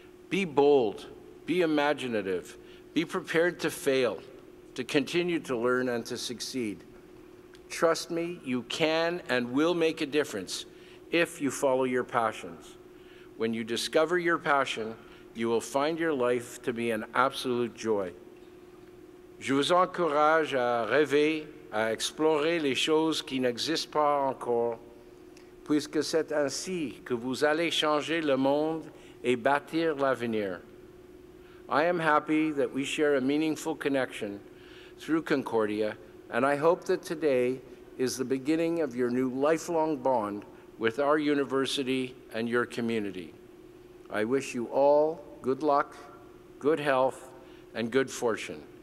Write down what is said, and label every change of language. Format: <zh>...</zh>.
<en>Be bold, be imaginative, be prepared to fail, to continue to learn and to succeed. Trust me, you can and will make a difference if you follow your passions. When you discover your passion, you will find your life to be an absolute joy.</en> <fr>Je vous encourage à rêver, à explorer les choses qui n'existent pas encore, puisque c'est ainsi que vous allez changer le monde et bâtir l'avenir.</fr> <en>I am happy that we share a meaningful connection through Concordia, and I hope that today is the beginning of your new lifelong bond with our university and your community. I wish you all good luck, good health, and good fortune.</en>